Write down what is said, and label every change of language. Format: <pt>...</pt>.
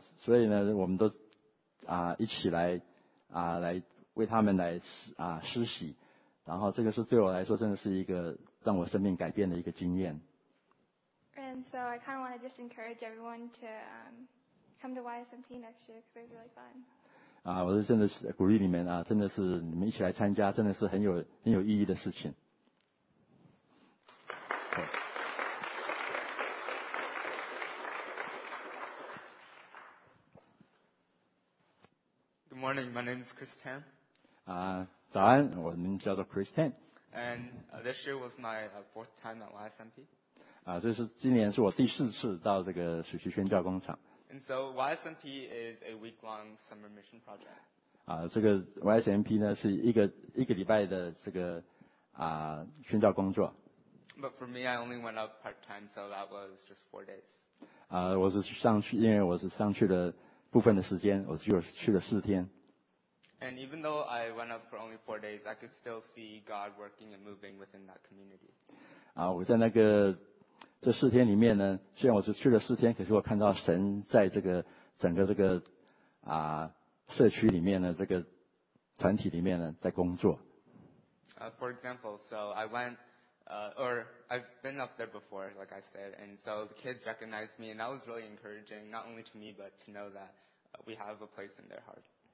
<zh>啊，所以呢，我们都啊一起来啊来。为他们来啊施洗，然后这个是对我来说真的是一个让我生命改变的一个经验。</zh> <en>And so I kind of want to just encourage everyone to come to YSMP next year because it's really fun.</en> <zh>啊，我是真的是鼓励你们啊，真的是你们一起来参加，真的是很有意义的事情。</zh> <en>Good morning. My name is Chris Tan.</en> <zh>早安，我名字叫做 Chris Tan。</zh> <en>And this year was my fourth time at YSMP。</en> <zh>这是今年是我第四次到这个暑期宣教工厂。</zh> <en>And so YSMP is a week-long summer mission project。</en> <zh>这个 YSMP 呢是一个礼拜的这个宣教工作。</zh> <en>But for me, I only went up part-time, so that was just 4 days。</en> <zh>我是上去，因为我是上去了部分的时间，我只有去了四天。</zh> <en>And even though I went up for only 4 days, I could still see God working and moving within that community.</en> <zh>我在那个这四天里面呢，虽然我是去了四天，可是我看到神在这个整个这个社区里面呢，这个团体里面呢在工作。</zh> <en>For example, so I went, or I've been up there before, like I said, and so the kids recognized me, and that was really encouraging, not only to me, but to know that we have a place in their heart.</en>